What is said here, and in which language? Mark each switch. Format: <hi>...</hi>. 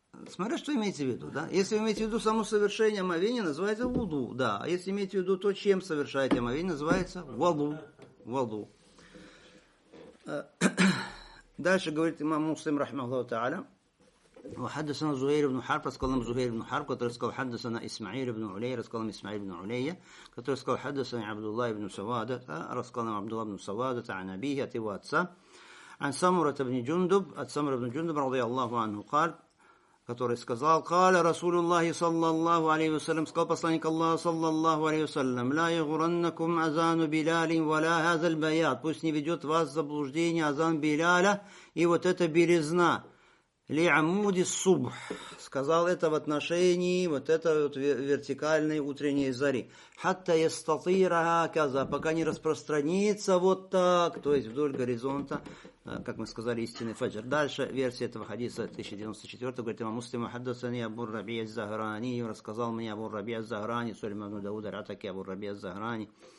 <ru>Смотря, что имеете в виду, да? Если вы имеете в виду само совершение омовения, называется вуду, да. А если имеете в виду то, чем совершаете омовение, называется ваду. Ваду. Дальше говорит имам Муслим, рахмаллаху та'аля.</ru> <ar>وحدثنا زهير بن حرب قال لهم زهير بن حرب قال حدثنا اسماعيل بن علي قال لهم اسماعيل بن علي قال حدثنا عبد الله بن سوادة قال عبد الله بن سوادة عن أبيه واتسا عن سمرة بن جندب سمرة بن جندب رضي الله عنه قال</ar> <ru>который сказал,</ru> <ar>قال رسول الله صلى الله عليه وسلم قال посланник الله صلى الله عليه وسلم لا يغرنكم أذان بلال ولا هذا البياض,</ar> <ru>пусть не ведет вас в заблуждение азан Биляля и вот эта белизна. Ли амуди субх, сказал это в отношении вот этой вот вертикальной утренней зари. Хатта ястатира каза, пока не распространится вот так, то есть вдоль горизонта, как мы сказали, истинный фаджр. Дальше версия этого хадиса 1094, говорит, имам Муслим, хаддасани Абу-Раби аз-Захрани, рассказал мне Абу-Раби аз-Захрани, Сулейман Дауда, Ратаки Абу-Раби аз-Захрани.</ru>